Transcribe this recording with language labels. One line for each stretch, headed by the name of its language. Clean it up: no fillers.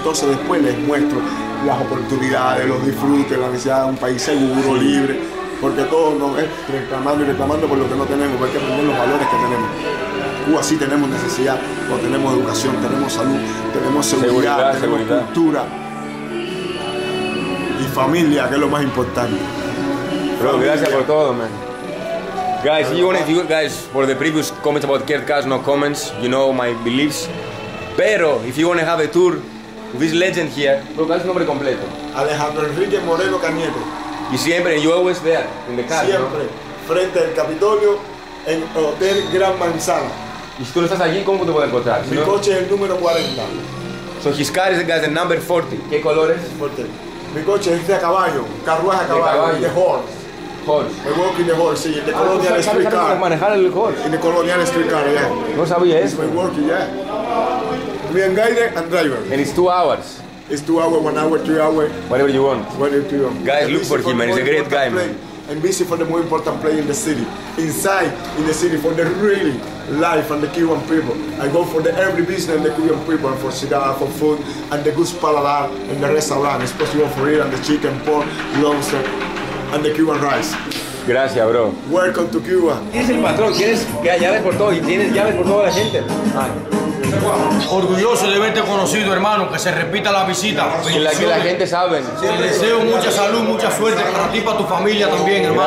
Spanish: Entonces después les muestro las oportunidades, los disfrutes, la necesidad de un país seguro, libre, porque todos nos es reclamando y reclamando por lo que no tenemos, porque hay que aprender los valores que tenemos. Cuba sí tenemos necesidad, o tenemos educación, tenemos salud, tenemos seguridad, tenemos cultura y familia, que es lo más importante. Bro, gracias por todo, man.
English: Guys, if you guys for the previous comments about Kurt Cass, no comments, you know my beliefs. Pero if you want to have a tour with this legend here, bro,
Spanish: ¿cuál es su nombre completo? Alejandro Enrique Moreno Cañete. Y siempre,
English: you always there in the car,
Spanish: siempre, ¿no? Frente al Capitolio en Hotel Gran Manzana. Y si tú no estás allí, ¿cómo te puedes encontrar? Mi coche es el número 40.
English: So his car is the number 40.
Spanish: ¿Qué color es? 40. Mi coche es de caballo, carruaje a caballo. De
English: horse. El working the horse, sí. De Colonial Street Car.
Spanish: ¿Sabes manejar el horse? En el Colonial Street Car, ya. No sabía eso.
English: El working, ya. Me and guide and driver. And it's 2 hours. It's 2 hours, 1 hour, 3 hours. Whatever you want. Whatever you want. Guys, look for him, man. He's a great guy, man. And busy for the more important play in the city. Inside, in the city, for the really life and the Cuban people. I go for the every business and the Cuban people, and for cigar, for food, and the good paladar, and the restaurant, especially for real, and the chicken, pork, lobster, and the Cuban rice.
Spanish: Gracias, bro.
English: Welcome to Cuba.
Spanish: Tienes el patrón, tienes llaves por todo, y tienes llaves por toda la gente. Orgulloso de verte conocido, hermano, que se repita la visita. Que la gente sabe. Te deseo mucha salud, mucha suerte para ti y para tu familia también, hermano.